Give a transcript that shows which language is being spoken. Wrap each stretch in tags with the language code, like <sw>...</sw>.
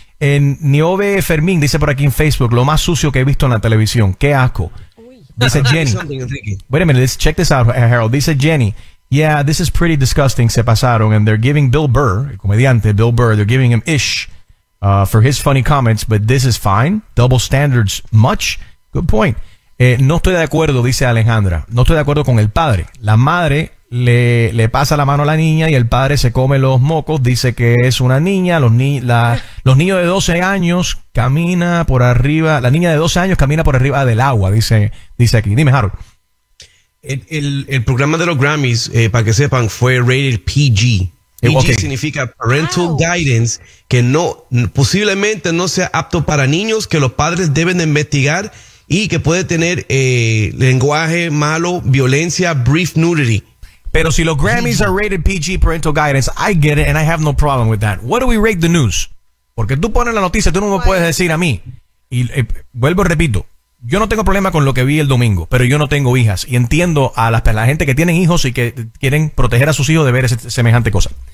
<es>En Niobe Fermín dice por aquí en Facebook, lo más sucio que he visto en la televisión, qué asco. Dice Jenny,</es> <en>wait a minute, let's check this out, Harold. Dice Jenny, yeah, this is pretty disgusting,</en> <es>se pasaron,</es> <en>and they're giving Bill Burr,</en> <es>el comediante Bill Burr,</es> <en>they're giving him ish for his funny comments, but this is fine, double standards much, good point.</en> <es>No estoy de acuerdo, dice Alejandra, no estoy de acuerdo con el padre, la madre le pasa la mano a la niña y el padre se come los mocos, dice que es una niña, los niños de 12 años camina por arriba, la niña de 12 años camina por arriba del agua, dice aquí. Dime, Harold. El programa de los Grammys, para que sepan, fue</es> <en>rated PG.</en> <es>PG, okay, significa Parental, wow, Guidance, que no, posiblemente no sea apto para niños, que los padres deben de investigar, y que puede tener lenguaje malo, violencia,</es> <en>brief nudity.</en> <es>Pero si los Grammys</es> <en>are rated PG, Parental Guidance, I get it and I have no problem with that. What do we rate the news?</en> <es>Porque tú pones la noticia, tú no me puedes decir a mí. Y vuelvo y repito, yo no tengo problema con lo que vi el domingo, pero yo no tengo hijas. Y entiendo a la gente que tienen hijos y que quieren proteger a sus hijos de ver semejante cosa.</es>